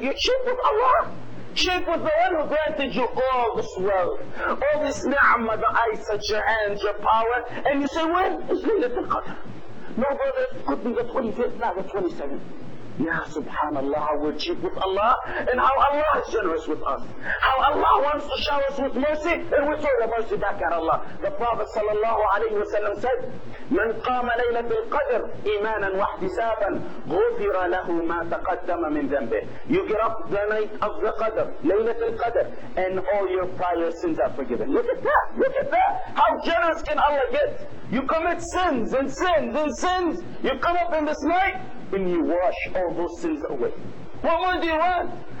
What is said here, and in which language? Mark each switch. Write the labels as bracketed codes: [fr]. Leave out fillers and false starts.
[en] You're cheap with Allah. Cheap with the one who granted you all this wealth, all this ni'mah, the eyesight, your hands, your power, and you say, when? It's Laylatul Qadr. No, brother, it could be the 25th, not the 27th. Ya subhanAllah, how we're cheap with Allah, and how Allah is generous with us. How Allah wants to shower us with mercy, and we throw the mercy back at Allah. The Prophet sallallahu alayhi wa sallam said, [ar] من قام ليلة القدر إيمانا واحتسابا غفر له ما تقدم من ذنبه. [en] You get up the night of the Qadr, ليلة القدر, and all your prior sins are forgiven. Look at that. How generous can Allah get? You commit sins and sins and sins. You come up in this night and you wash all those sins away. What more do you want?